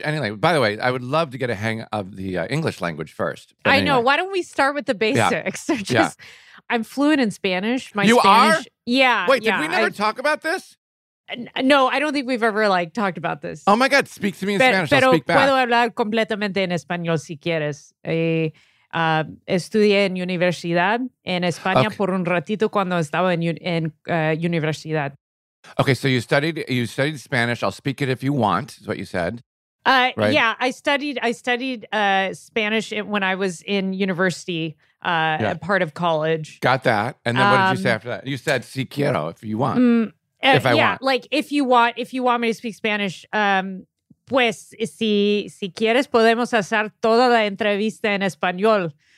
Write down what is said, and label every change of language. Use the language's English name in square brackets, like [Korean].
[English] By the way, I would love to get a hang of the English language first. I know. Why don't we start with the basics? I'm fluent in Spanish. Did we never talk about this? No, I don't think we've ever like talked about this. Oh my God, speak to me in Spanish. [Spanish] Pero [English] I'll speak back. [Spanish] Puedo hablar completamente en español si quieres. Estudié en universidad en España por un ratito cuando estaba en universidad. [English] Okay, so you studied Spanish. I'll speak it if you want, is what you said. Right? Yeah, I studied Spanish when I was in university, part of college. Got that. And then what did you say after that? You said, [Spanish] si quiero, [English] if you want. If you want me to speak Spanish, [Spanish] pues, si quieres, podemos hacer toda la entrevista en español.